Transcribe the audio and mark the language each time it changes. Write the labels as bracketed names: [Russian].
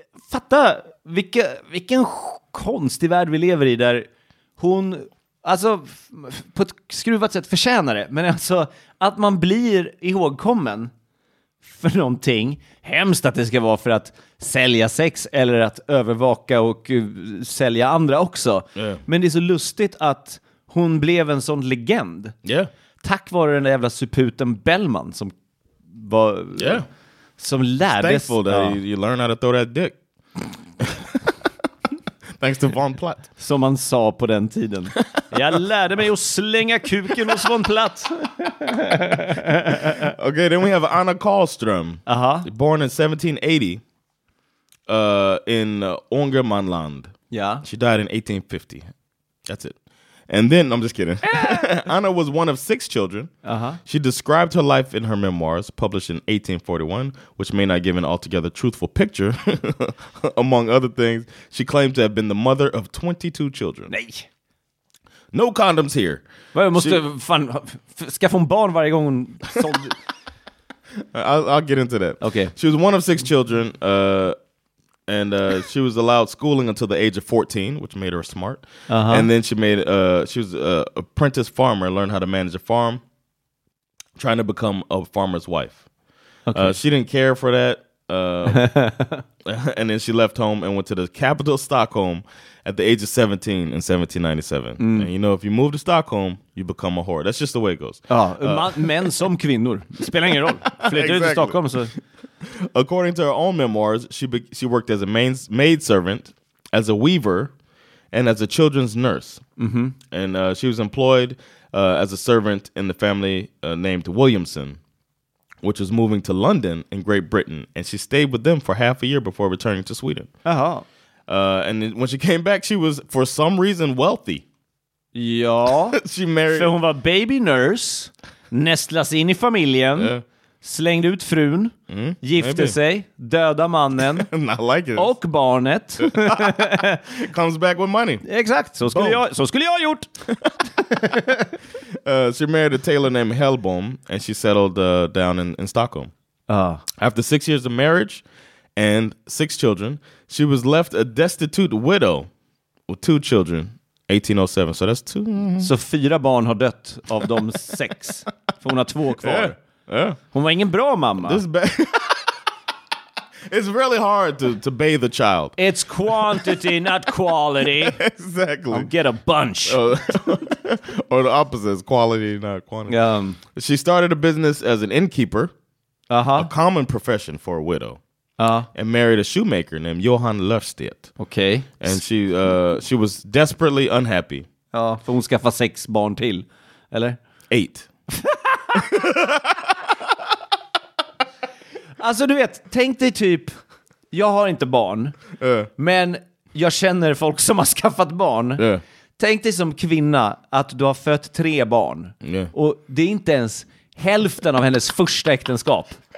[Swedish] Fatta, vilken konstig värld vi lever i där hon, alltså på ett skruvat sätt förtjänar det, men alltså att man blir ihågkommen för någonting hemskt, att det ska vara för att sälja sex eller att övervaka och sälja andra också. Men det är så lustigt att hon blev en sån legend. Tack vare den där jävla suputen Bellman som var som lärdes. [English] It's thankful that you learn how to throw that dick. Thanks to von Platt. [Swedish] Som man sa på den tiden. Jag lärde mig att slänga kuken hos von Platt. [English] Okay, then we have Anna Karlström. Uh-huh. Born in 1780 in Ångermanland. Yeah. She died in 1850. That's it. And then, I'm just kidding. Anna was one of six children. Uh-huh. She described her life in her memoirs, published in 1841, which may not give an altogether truthful picture. Among other things, she claimed to have been the mother of 22 children. [Swedish] Nej. [English] No condoms here. [Swedish] Vad, jag måste skaffa en barn varje gång hon sålde. [English] I'll get into that. Okay. She was one of six children, And she was allowed schooling until the age of 14, which made her smart. Uh-huh. And then she was an apprentice farmer, learned how to manage a farm, trying to become a farmer's wife. Okay. She didn't care for that. and then she left home and went to the capital, Stockholm, at the age of 17 in 1797. Mm. And you know, if you move to Stockholm, you become a whore. That's just the way it goes. [Swedish] Men som kvinnor. Spelar ingen roll. Flyttar du till Stockholm så... [English] According to her own memoirs, she worked as a maid servant, as a weaver, and as a children's nurse. Mm-hmm. And she was employed as a servant in the family named Williamson, which was moving to London in Great Britain. And she stayed with them for half a year before returning to Sweden. Uh-huh. And when she came back, she was, for some reason, wealthy. [Swedish] Ja. [English] She married... [Swedish] För hon var baby nurse, nästlas in i familjen. [English] Yeah. [Swedish] Slängde ut frun, gifte sig, döda mannen [English] like [Swedish] och barnet. [English] Comes back with money. [Swedish] Exakt, så skulle jag ha gjort. [English] She married a tailor named Hellbom and she settled down in Stockholm. After 6 years of marriage and six children, she was left a destitute widow with two children. 1807, so that's two. [Swedish] Så fyra barn har dött av de sex. För hon har två kvar. [English] Yeah. Yeah. [Swedish] Hon var ingen bra mamma. [English] This it's really hard to bathe a child. It's quantity, not quality. Exactly. I'll get a bunch. Or the opposite, it's quality, not quantity. She started a business as an innkeeper, uh-huh. A common profession for a widow, and married a shoemaker named Johan Löfstedt. Okay. And she was desperately unhappy. [Swedish] Ja, för hon skaffa sex barn till, eller? [English] Eight. [Swedish] Alltså du vet, tänk dig typ jag har inte barn. Men jag känner folk som har skaffat barn. Tänk dig som kvinna att du har fött 3 barn. Och det är inte ens hälften av hennes första äktenskap.